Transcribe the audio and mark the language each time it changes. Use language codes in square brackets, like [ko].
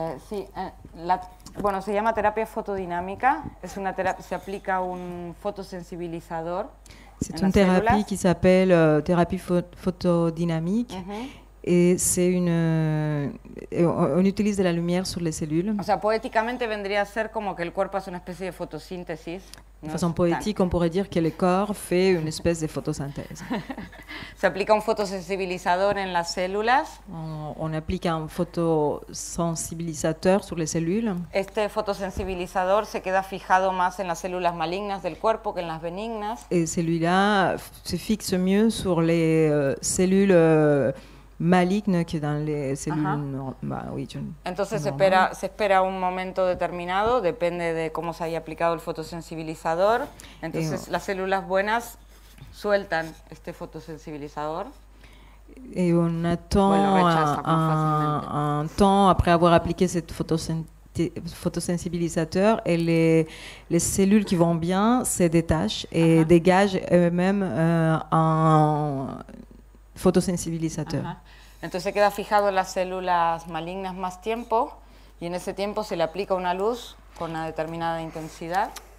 [es] Sí, bueno, se llama terapia fotodinámica. Es una terapia, se aplica un fotosensibilizador. [fr] C'est une thérapie qui s'appelle thérapie photodynamique. Et c'est une on utilise de la lumière sur les cellules. [es] O sea, poéticamente vendría a ser como que el cuerpo hace una especie de fotosíntesis. [fr] De façon poétique, on pourrait dire que le corps fait une espèce de photosynthèse. [es] Se aplica un fotosensibilizador en las células. [fr] On applique un fotosensibilisateur sur les cellules. [es] Este fotosensibilizador se queda fijado más en las células malignas del cuerpo que en las benignas. [fr] Et celui-là se fixe mieux sur les cellules malignes que dans les cellules [es] Entonces se espera un momento determinado, depende de cómo se haya aplicado el fotosensibilizador. Entonces las células buenas sueltan este fotosensibilizador. [fr] Et on attend un temps après avoir appliqué ce photosensibilisateur et les cellules qui vont bien se détachent et dégagent eux-mêmes un photosensibilizateur. [es] Entonces se queda fijado en las células malignas más tiempo y en ese tiempo se le aplica una luz con una determinada intensidad.